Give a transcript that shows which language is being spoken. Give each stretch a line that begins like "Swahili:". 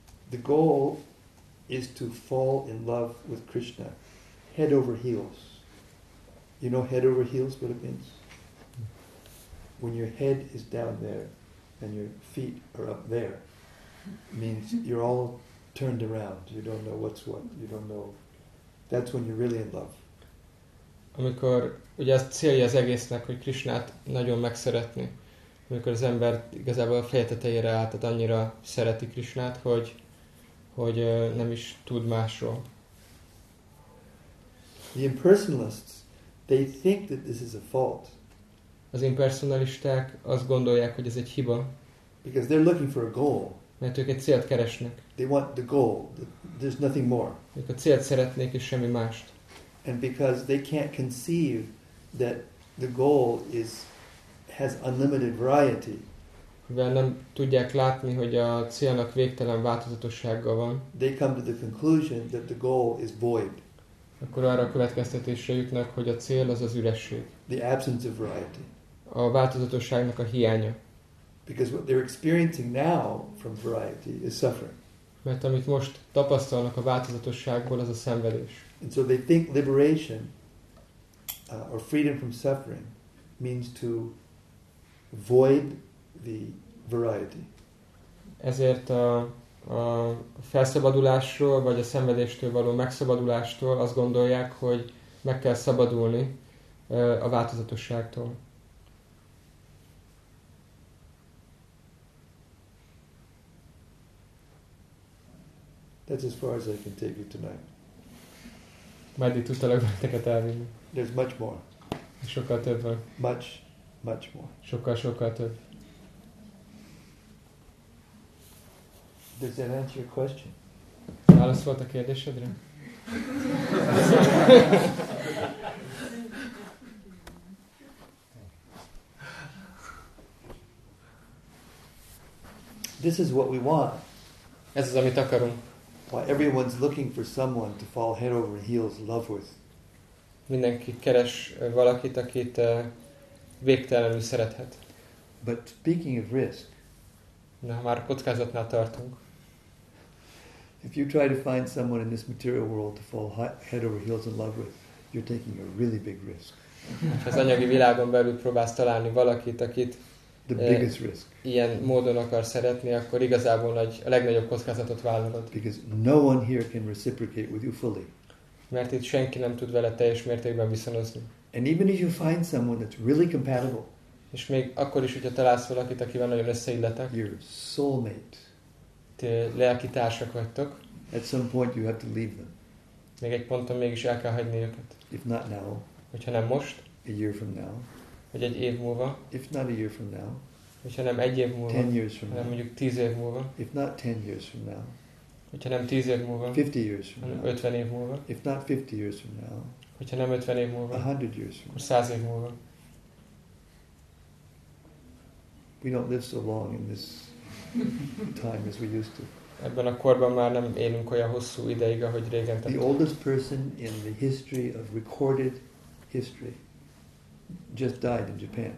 English: The goal is to fall in love with Krishna, head over heels. You know head over heels, what it means? When your head is down there and your feet are up there, means you're all turned around. You don't know what's what. You don't know. That's when you're really in love.
Hungarian: Amikor ugye az célja az egésznek, hogy Krishnát nagyon megszeretni. Amikor az ember igazából a feje tetejére áll, tehát annyira szereti Krishnát, hogy nem is tud másról.
English: The impersonalists, they think that this is a fault.
Hungarian: Az impersonalisták azt gondolják, hogy ez egy hiba.
English: Because they're looking for a goal.
Hungarian: Mert ők egy célt keresnek.
English: They want the goal. There's nothing more.
Hungarian: Ők a célt szeretnék és semmi mást.
English: And because they can't conceive that the goal has unlimited variety.
Hungarian: Mivel nem tudják látni, hogy a célnak végtelen változatossága van.
English: They come to the conclusion that the goal is void.
Hungarian: Akkor arra a következtetésre jutnak, hogy a cél az az üresség.
English: The absence of variety.
Hungarian: A változatosságnak a hiánya.
English: Because what they're experiencing now from variety is suffering.
Hungarian: Mert amit most tapasztalnak a változatosságból, az a szenvedés.
English: And so they think liberation or freedom from suffering means to void the variety.
Hungarian: Ezért a felszabadulásról vagy a szenvedéstől való megszabadulástól azt gondolják, hogy meg kell szabadulni a változatosságtól.
English: That's as far as I can take you tonight.
Hungarian: Meddig tudtalak benneteket elvinni?
English: There's much more.
Hungarian: Sokkal több van.
English: Much, much more.
Hungarian: Sokkal, sokkal több.
English: Does that answer your question?
Hungarian: Válasz volt a kérdésedre?
English: This is what we want.
Hungarian: Ez az, amit akarunk.
English: Why everyone's looking for someone to fall head over heels love with.
Hungarian: Mindenki keres valakit, akit végtelenül szerethet.
English: But speaking of risk.
Hungarian: Na, már kockázatnál tartunk.
English: If you try to find someone in this material world to fall head over heels in love with, you're taking a really big risk.
Hungarian: Az anyagi világon belül próbálsz találni valakit, akit
English: the biggest risk.
Hungarian: Ilyen módon akar szeretni, akkor igazából a legnagyobb kockázatot vállalod.
English: Because no one here can reciprocate with you fully.
Hungarian: Mert itt senki nem tud vele teljes mértékben viszonozni.
English: And even if you find someone that's really compatible.
Hungarian: És még akkor is, hogyha találsz valakit, akivel nagyon összeilletek.
English: Your soulmate.
Hungarian: Te lelki társak vagytok.
English: At some point you have to leave them.
Hungarian: Még egy ponton mégis el kell hagyni őket.
English: If not now.
Hungarian: Hogyha nem most.
English: A year from now.
Hungarian: Vagy egy év múlva.
English: If not a year from now.
Hungarian: Hogyha nem egy év múlva.
English: 10 years from now.
Hungarian: Mondjuk 10 év múlva.
English: If not 10 years from now.
Hungarian: Hogyha nem 10 év múlva.
English: 50 years from now.
Hungarian: 50 év múlva.
English: If not 50 years from now.
Hungarian: Hogyha nem 50 év múlva.
English: 100 years from now.
Hungarian: 100 év múlva.
English: We don't live so long in this time as we used to.
Hungarian: Ebben a korban már nem élünk olyan hosszú ideig, ahogy régen.
English: The oldest person in the history of recorded history just died in Japan.